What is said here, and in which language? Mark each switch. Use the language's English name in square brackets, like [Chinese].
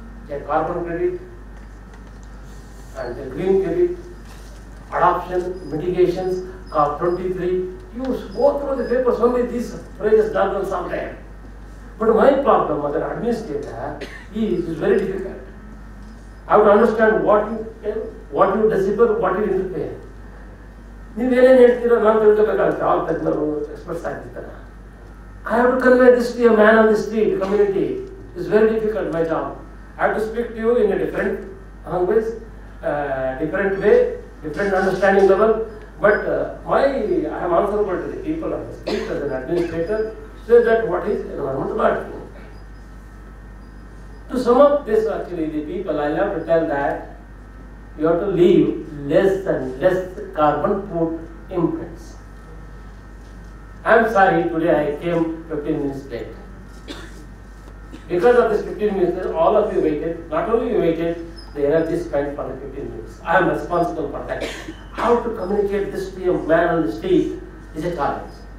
[English] A carbon credit and the green credit, adoption, mitigations, COP23, you go through the papers, only these phrases done on some day. But my problem as an administrator is very difficult. I would understand what you deliver, what you interfere. [Kannada] ನೀವು ಏನೇನು ಹೇಳ್ತೀರೋ ನಾನು ತಿಳ್ಕೋಬೇಕಾಗುತ್ತೆ, all ತಜ್ಞರು experts ಆಗ್ತಿರ್ತಾರೆ. [English] I have to convey this to a man on the street community, is very difficult my job. I have to speak to you in a different language, different way, different understanding level. But my I have answerable to the people of the street as an administrator, so that what is environment body. To sum up this actually the people, I have to tell that you have to leave less and less carbon foot imprints. I'm sorry, today I came 15 minutes late. Because of this 15 minutes, all of you waited, not only you waited, the energy spent for the 15 minutes. I am responsible for that. How to communicate this to a man on the street is a challenge.